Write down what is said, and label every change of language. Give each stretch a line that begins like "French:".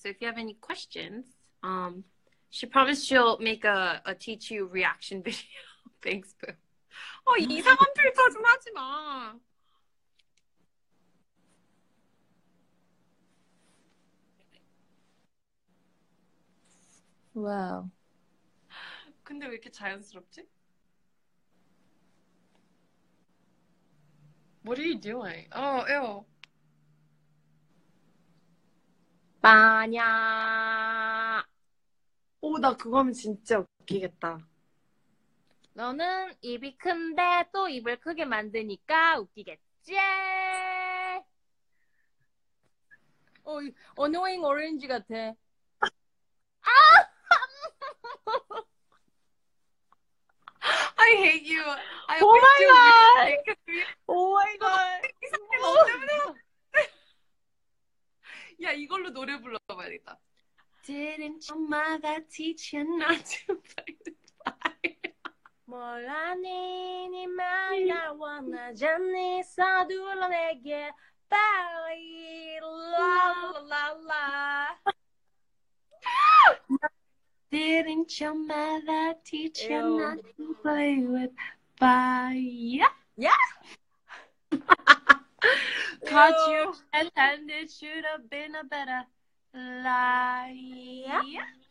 English: So if you have any questions, she promised she'll make a teach you reaction video. Thanks, Boo.
Korean: 어, 이상한 필터 좀 하지 마. 와우. 근데 왜 이렇게 자연스럽지?
English: What are you doing? Oh, ew.
Korean: 마냥. 오, 나 그거 하면 진짜 웃기겠다. 너는 입이 큰데 또 입을 크게 만드니까 웃기겠지? 어, annoying orange 같아. 아! 아이
English: 헤이 유. 오 마이 갓. 오 마이 갓.
Korean: 야, 이걸로 노래 불러 봐야겠다.
English: Didn't your mother teach you not to fight?
Korean: 뭘 아니 네 맘 나 원하잖니 서둘러 내게 빨리 라라라.
English: Didn't your mother teach you not to play with fire? Yes! Caught you and it should have been a better lie.